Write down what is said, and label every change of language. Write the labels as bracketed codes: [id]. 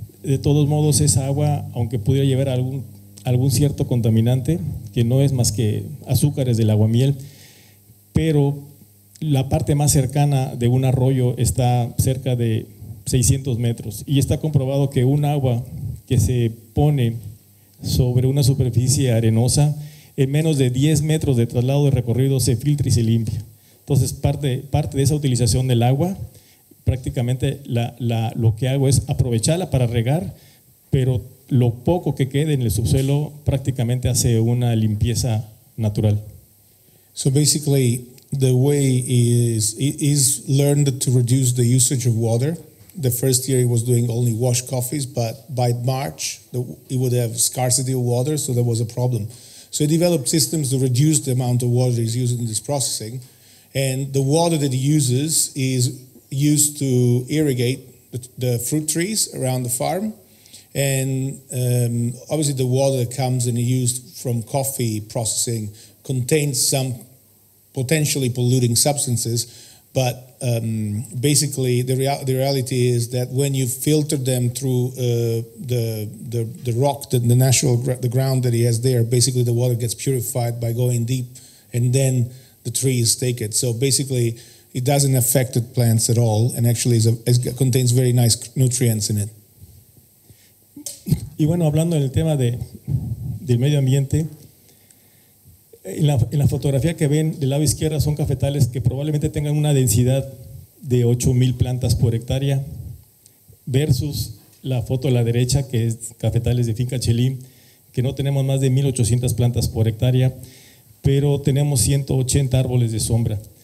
[es] De todos modos, esa agua, aunque pudiera llevar algún cierto contaminante, que no es más que azúcares del aguamiel, pero la parte más cercana de un arroyo está cerca de 600 metros y está comprobado que un agua que se pone sobre una superficie arenosa, en menos de 10 metros de traslado de recorrido se filtra y se limpia. Entonces, parte de esa utilización del agua, prácticamente lo que hago es aprovecharla para regar, pero lo poco que quede en el subsuelo prácticamente hace una limpieza natural. [en] So basically, the way is learned to reduce the usage of water. The first year he was doing only wash coffees, but by March, he would have scarcity of water, so there was a problem. So he developed systems to reduce the amount of water he's using in this processing. And the water that he uses is used to irrigate the fruit trees around the farm. And obviously the water that comes and used from coffee processing contains some potentially polluting substances. But basically the reality is that when you filter them through the rock, the natural the ground that he has there, basically the water gets purified by going deep and then the trees take it. So basically it doesn't affect the plants at all and actually it contains very nice nutrients in it. [es] Y bueno, hablando del tema del medio ambiente, en la fotografía que ven del lado izquierdo son cafetales que probablemente tengan una densidad de 8,000 plantas por hectárea versus la foto a la derecha, que es cafetales de finca Chelín, que no tenemos más de 1,800 plantas por hectárea, pero tenemos 180 árboles de sombra.